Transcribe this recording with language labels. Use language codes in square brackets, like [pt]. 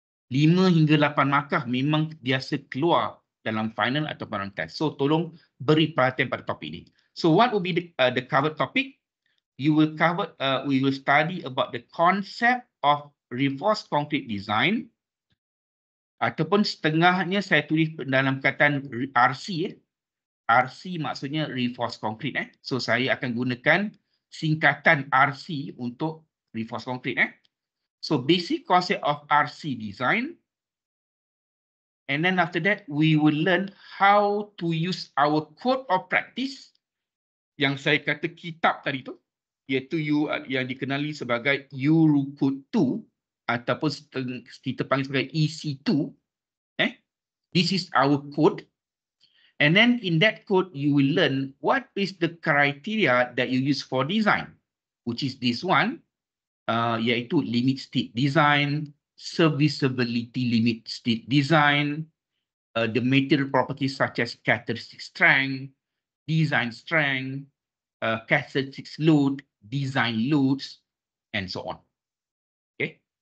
[ms] 5 hingga 8 markah memang biasa keluar dalam final atau dalam test. So tolong beri perhatian pada topik ini. So [en] what will be the covered topic? You will cover, we will study about the concept of reinforced concrete design. [ms] Ataupun setengahnya saya tulis dalam kataan RC. RC maksudnya reinforced concrete. So saya akan gunakan singkatan RC untuk reinforced concrete. [en] So basic concept of RC design. And then after that, we will learn how to use our code of practice. [ms] Yang saya kata kitab tadi tu, iaitu you, yang dikenali sebagai Euro Code 2 ataupun kita panggil sebagai EC2. [en] This is our code. And then in that code, you will learn what is the criteria that you use for design, which is this one. Iaitu limit state design, serviceability limit state design, the material properties such as characteristic strength, design strength, characteristic load, design loads, and so on. Okay.